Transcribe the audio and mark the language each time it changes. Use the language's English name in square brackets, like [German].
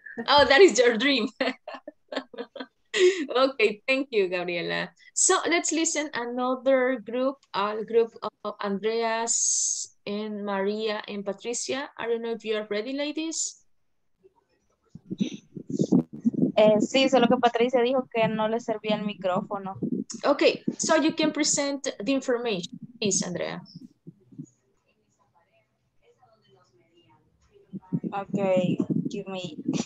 [English] Oh, that is your dream. Okay, thank you, Gabriela. So let's listen another group, our group of Andreas and Maria and Patricia. I don't know if you are ready, ladies. [Spanish] Sí, solo que Patricia dijo que no le servía el micrófono. [English] Okay, so you can present the information, please, Andrea. Okay, give me.